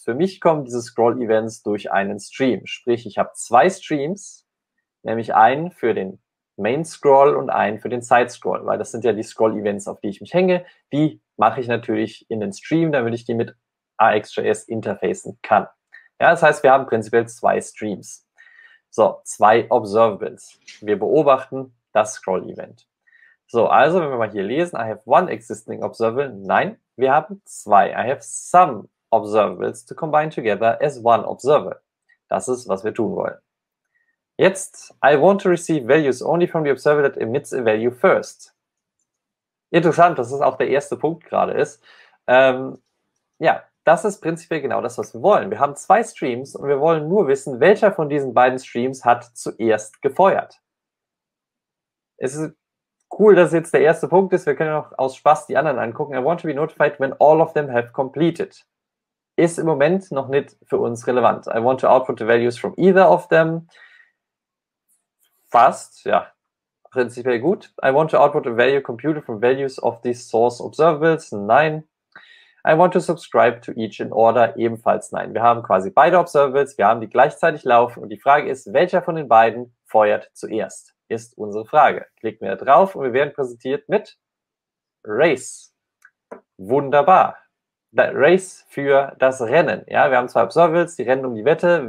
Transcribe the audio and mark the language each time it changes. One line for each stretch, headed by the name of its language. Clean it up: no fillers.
German: Für mich kommen diese Scroll-Events durch einen Stream. Sprich, ich habe zwei Streams, nämlich einen für den Main-Scroll und einen für den Side-Scroll, weil das sind ja die Scroll-Events, auf die ich mich hänge. Die mache ich natürlich in den Stream, damit ich die mit AXJS interfacen kann. Ja, das heißt, wir haben prinzipiell zwei Streams. So, zwei Observables. Wir beobachten das Scroll-Event. So, also, wenn wir mal hier lesen,
English: I have one existing observable.
German: Nein, wir haben zwei.
English: I have some observables to combine together as one observer.
German: Das ist, was wir tun wollen. Jetzt,
English: I want to receive values only from the observer that emits a value first.
German: Interessant, dass das auch der erste Punkt gerade ist. Ja, das ist prinzipiell genau das, was wir wollen. Wir haben zwei Streams und wir wollen nur wissen, welcher von diesen beiden Streams hat zuerst gefeuert. Es ist Cool, das ist jetzt der erste Punkt ist. Wir können noch aus Spaß die anderen angucken.
English: I want to be notified when all of them have completed.
German: Ist im Moment noch nicht für uns relevant.
English: I want to output the values from either of them.
German: Fast, ja, prinzipiell gut.
English: I want to output a value computed from values of these source observables.
German: Nein.
English: I want to subscribe to each in order.
German: Ebenfalls nein. Wir haben quasi beide Observables, wir haben die gleichzeitig laufen und die Frage ist, welcher von den beiden feuert zuerst? Ist unsere Frage. Klicken wir da drauf und wir werden präsentiert mit Race. Wunderbar. Race für das Rennen. Ja, wir haben zwei Observables, die rennen um die Wette.